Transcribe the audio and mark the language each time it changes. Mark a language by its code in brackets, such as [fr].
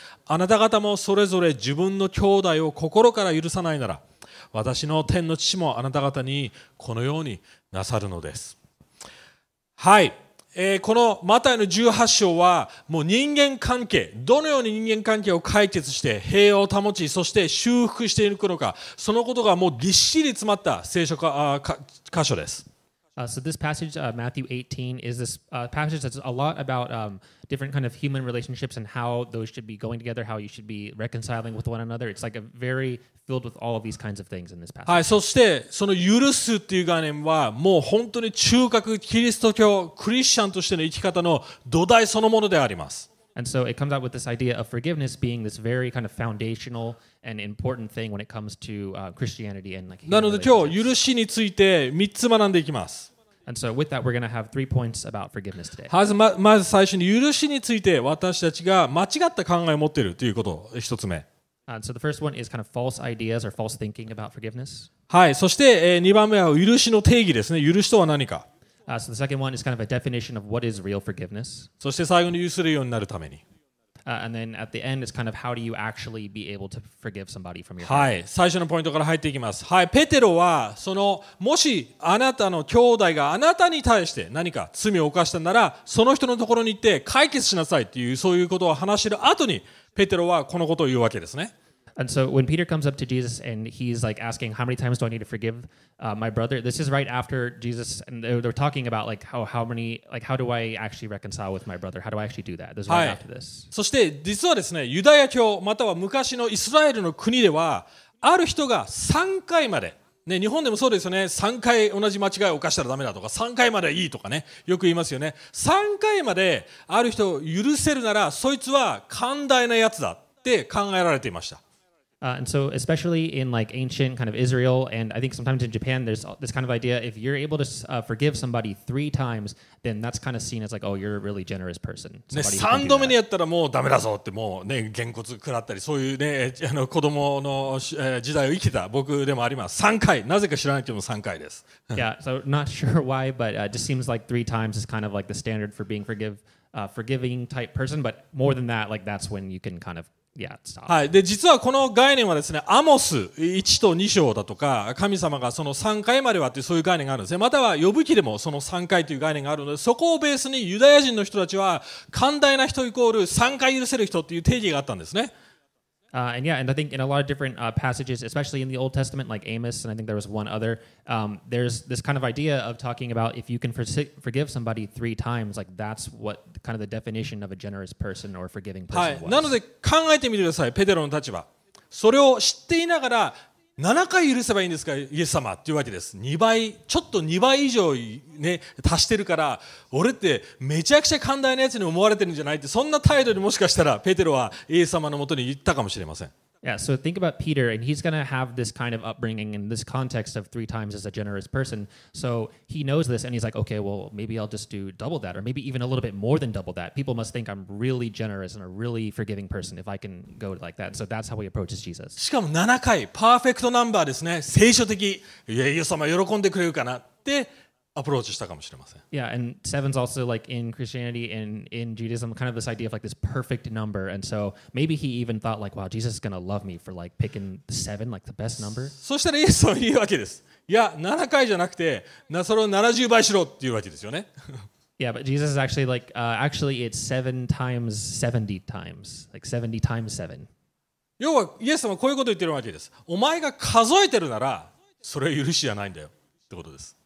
[ja] あなた方もそれぞれ自分の兄弟を心から許さないなら、私の天の父もあなた方にこのようになさるのです。はい。このマタイの18章は、もう人間関係、どのように人間関係を解決して平和を保ち、そして修復していくのか、そのことがもうぎっしり詰まった聖書箇所です。 [en] So this passage, Matthew 18, is this passage that's a lot about different kind of human relationships and how those should be going together, how you should be reconciling with one another. It's like a very filled with all of these kinds of things in this passage. [ja] はい、そしてその許すっていう概念はもう本当に中核キリスト教クリスチャンとしての生き方の土台そのものであります。 [en] And so it comes out with this idea of forgiveness being this very kind of foundational and important thing when it comes to Christianity and like. [ja] なので今日許しについて3つ学んでいきます。 [en] And so with that, we're going to have three points about forgiveness today. [ja] まず最初に許しについて私たちが間違った考えを持っているということ、1つ目。 [en] So the first one is kind of false ideas or false thinking about forgiveness. [ja] はい、そして2番目は許しの定義ですね。許しとは何か。 [en] So the second one is kind of a definition of what is real forgiveness. [ja] そして最後に許せるようになるために。 [en] And then at the end, it's kind of how do you actually be able to forgive somebody from your heart? [ja] はい、最初のポイントから入っていきます。はい、ペテロはそのもしあなたの兄弟があなたに対して何か罪を犯したなら、その人のところに行って解決しなさいっていうそういうことを話している後に、ペテロはこのことを言うわけですね。 [en] And so when Peter comes up to Jesus and he's like asking, how many times do I need to forgive my brother? This is right after Jesus, and they're talking about like how do I actually reconcile with my brother? How do I actually do that? This is right after this. [ja] そして実はですね、ユダヤ教または昔のイスラエルの国では、ある人が3回まで、ね、日本でもそうですよね、3回同じ間違いを犯したらダメだとか、3回まではいいとかね、よく言いますよね。 3回まである人を許せるなら、そいつは寛大なやつだって考えられていました。 [en] And so especially in like ancient kind of Israel, and I think sometimes in Japan, there's this kind of idea, if you're able to forgive somebody three times, then that's kind of seen as like, oh, you're a really generous person. [ja] ね、3度目にやったらもうダメだぞってもうね、げんこつ食らったり、そういうね、あの子供の時代を生きてた僕でもあります。 3回、なぜか知らないけども3回です。 [en] Yeah, so not sure why, but it just seems like three times is kind of like the standard for being forgiving type person, but more than that, like that's when you can kind of,Yeah, [ja] はい、で実はこの概念はですね、アモス1と2章だとか、神様がその3回まではというそういう概念があるんですね。または呼ぶ記でもその3回という概念があるので、そこをベースにユダヤ人の人たちは寛大な人イコール3回許せる人という定義があったんですね。 [en] And yeah, and I think in a lot of different passages, especially in the Old Testament, like Amos, and I think there was one other, there's this kind of idea of talking about if you can forgive somebody three times, like that's what kind of the definition of a generous person or forgiving person was. [ja] はい、なので考えてみてください、ペテロの立場。それを知っていながら7回許せばいいんですか、イエス様っていうわけです。 2倍、ちょっと2倍以上ね、足してるから、俺ってめちゃくちゃ寛大なやつに思われてるんじゃないって、そんな態度にもしかしたら、ペテロはイエス様のもとに言ったかもしれません。 [en] Yeah, so think about Peter, and he's going to have this kind of upbringing in this context of three times as a generous person. So he knows this, and he's like, okay, well, maybe I'll just do double that, or maybe even a little bit more than double that. People must think I'm really generous and a really forgiving person if I can go like that. So that's how he approaches Jesus. [ja] しかも7回、パーフェクトナンバーですね。聖書的、イエス様喜んでくれるかなってアプローチしたかもしれません。 [en] Yeah, and seven's also like in Christianity and in Judaism, kind of this idea of like this perfect number. And so maybe he even thought like, wow, Jesus is gonna love me for like picking seven, like the best number. [ja] そしたらイエスは言うわけです。いや、7回じゃなくて、それを70倍しろっていうわけですよね。 [en] Yeah, but Jesus is actually like, actually it's seven times 70 times, like 70 times seven. [ja] 要はイエス様はこういうこと言ってるわけです。お前が数えてるなら、それは許しじゃないんだよってことです。